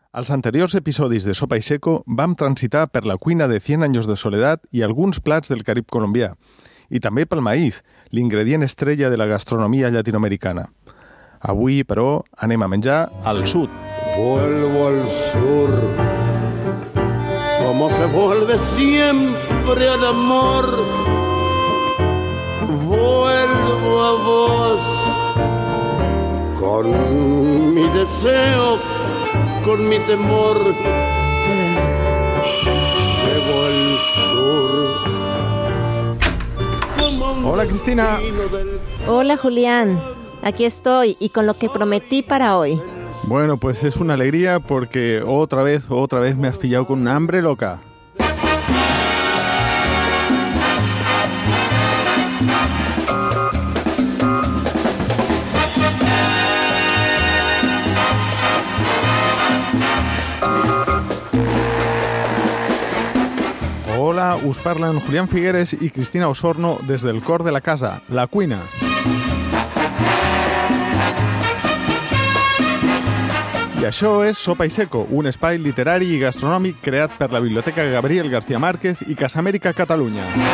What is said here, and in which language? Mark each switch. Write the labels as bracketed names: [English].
[Catalan] Als anteriors episodis de Sopa i Seco vam transitar per la cuina de 100 anys de soledat i alguns plats del Carib colombià, i també pel maïs, l'ingredient estrella de la gastronomia llatinoamericana. Avui, però, anem a menjar al sud. [Spanish] Vuelvo al sur, como se vuelve siempre al amor. Vuelvo a vos, con mi deseo, con mi temor. Llevo al sur. Hola, Cristina. Hola, Julián. Aquí estoy y con lo que prometí para hoy. Bueno, pues es una alegría porque otra vez me has pillado con una hambre loca. [Catalan] Hola, us parlen Julián Figueres y Cristina Osorno desde el cor de la casa, la cuina. I això és Sopa i Seco, un espai literari i gastronòmic creat per la Biblioteca Gabriel García Márquez i Casa Amèrica Catalunya.